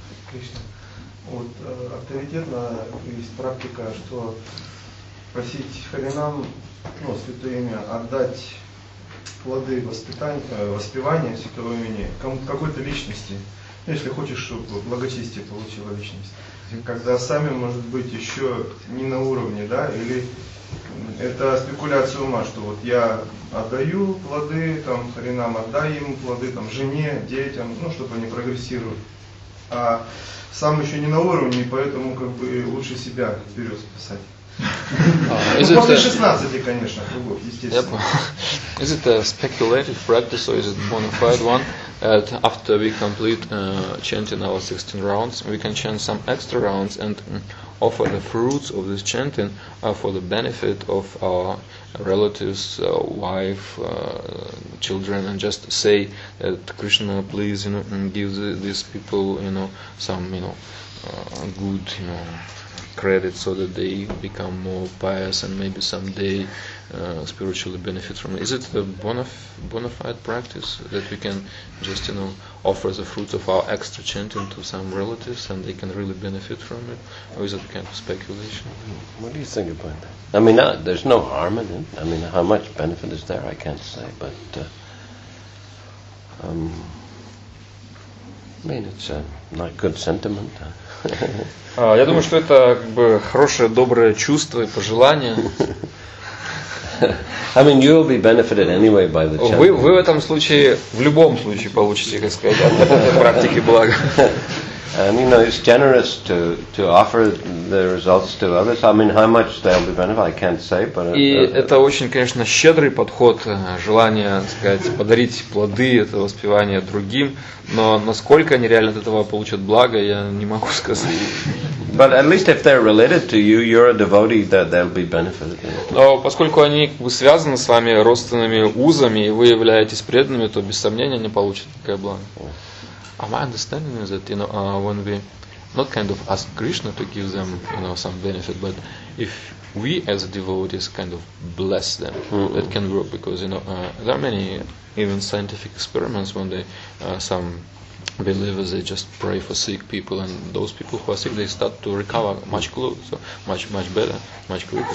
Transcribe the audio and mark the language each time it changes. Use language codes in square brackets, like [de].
[ru] Кришна, вот авторитетно есть практика, что просить Харинам, ну, святое имя, отдать плоды воспевания святого имени какой-то личности, ну, если хочешь, чтобы благочестие получила личность, когда сами, может быть, еще не на уровне, да, или это спекуляция ума, что вот я отдаю плоды, там, Харинам, отдай ему плоды, там, жене, детям, ну, чтобы они прогрессируют. А сам еще не на уровне, поэтому как бы лучше себя вперед спасать. Ну, после 16, конечно, кругов, естественно. [en] Is it a speculative practice or is it bona fide one? After we complete chanting our 16 rounds, we can chant some extra rounds and offer the fruits of this chanting for the benefit of our relatives, wife, children, and just say that Krishna, please, you know, give these people, you know, some, you know, good, you know, credit so that they become more pious and maybe someday spiritually benefit from it. Is it a bona fide practice that we can just, you know, offer the fruits of our extra chanting to some relatives and they can really benefit from it? Or is it a kind of speculation? What do you think about that? I mean, there's no harm in it. I mean, how much benefit is there, I can't say. But, I mean, it's a not good sentiment. [ru] Я думаю, что это как бы хорошее, доброе чувство и пожелание. [en] I mean, you'll be benefited anyway by the chanting. [ru] Вы в этом случае, в любом случае получите, как сказать, от этой практики благо. [en] And, you know, it's generous to offer the results to others. I mean, how much they'll be benefited, I can't say, but... [ru] И это очень, конечно, щедрый подход, желание, так сказать, подарить плоды этого воспевания другим, но насколько они реально от этого получат благо, я не могу сказать. [en] But at least if they're related to you, you're a devotee, that they'll be benefited. [ru] Но поскольку они связаны с вами родственными узами, и вы являетесь преданными, то без сомнения они получат такое благо. [en] My understanding is that, you know, when we not kind of ask Krishna to give them, you know, some benefit, but if we as devotees kind of bless them, that can work, because, you know, there are many even scientific experiments when they some believers, they just pray for sick people, and those people who are sick, they start to recover much closer, so much, much better, much quicker.